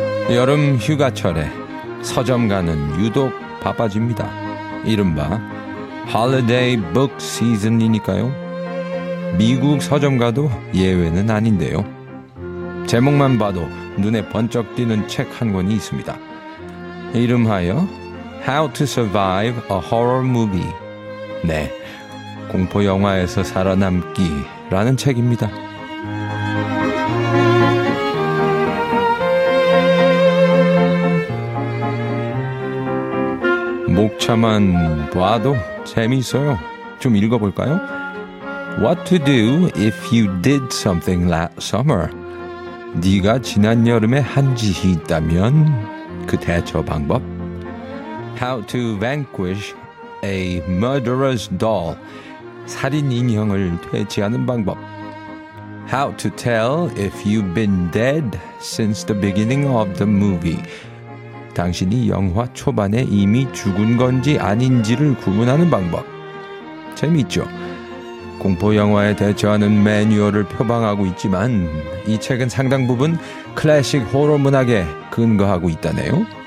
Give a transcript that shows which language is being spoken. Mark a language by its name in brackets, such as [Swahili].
[Korean] 여름 휴가철에 서점가는 유독 바빠집니다. 이른바 [English] Holiday Book Season [Korean] 이니까요. 미국 서점가도 예외는 아닌데요. 제목만 봐도 눈에 번쩍 띄는 책 한 권이 있습니다. 이름하여 How to Survive a Horror Movie. 네, 공포 영화에서 살아남기라는 책입니다. 목차만 봐도 재미있어요. 좀 읽어볼까요? [English] What to do if you did something last summer? [Korean] 네가 지난 여름에 한 짓이 있다면 그 대처 방법? [English] How to vanquish a murderous doll? [Korean] 살인 인형을 퇴치하는 방법. [English] How to tell if you've been dead since the beginning of the movie? [Korean] 당신이 영화 초반에 이미 죽은 건지 아닌지를 구분하는 방법. 재미있죠? 공포 영화에 대처하는 매뉴얼을 표방하고 있지만 이 책은 상당 부분 클래식 호러 문학에 근거하고 있다네요.